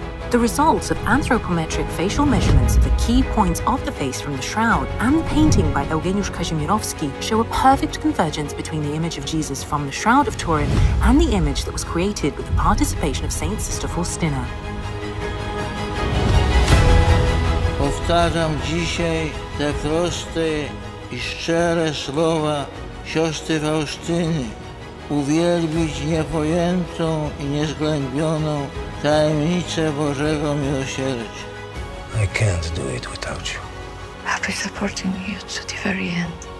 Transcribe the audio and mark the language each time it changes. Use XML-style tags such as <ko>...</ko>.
<en>The results of anthropometric facial measurements of the key points of the face from the shroud and the painting by Eugeniusz Kazimierowski show a perfect convergence between the image of Jesus from the Shroud of Turin and the image that was created with the participation of Saint Sister Faustina.</en> <pl>Powtarzam dzisiaj te proste i szczere słowa siostry Faustyny. Uwielbić niepojętą i niezgłębioną tajemnicę Bożego Miłosierdzia.</pl> <en>I can't do it without you. I'll be supporting you to the very end.</en>